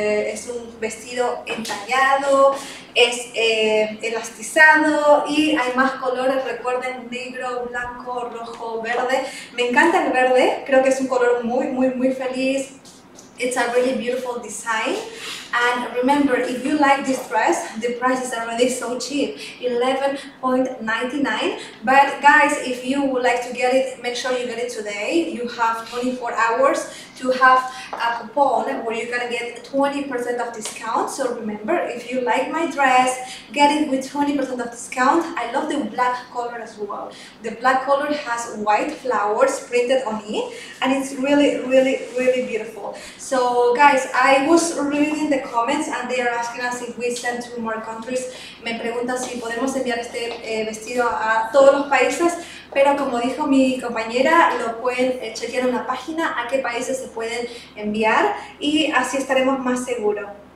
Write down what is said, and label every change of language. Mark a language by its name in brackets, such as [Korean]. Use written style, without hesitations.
[Spanish] Es un vestido entallado, es elastizado y hay más colores. Recuerden, negro, blanco, rojo, verde. Me encanta el verde, creo que es un color muy, muy, muy feliz. [English] It's a really beautiful design. And remember, if you like this dress, the price is already so cheap, $11.99. But guys, if you would like to get it, make sure you get it today. You have 24 hours to have a coupon where you're gonna get 20% of discount. So remember, if you like my dress, get it with 20% of discount. I love the black color as well. The black color has white flowers printed on it, and it's really, really, really beautiful. So guys, I was reading the comments and they are asking us if we send to more countries. [Spanish] Me preguntan si podemos enviar este vestido a todos los países, pero como dijo mi compañera, lo pueden chequear en la página a qué países se pueden enviar y así estaremos más seguros.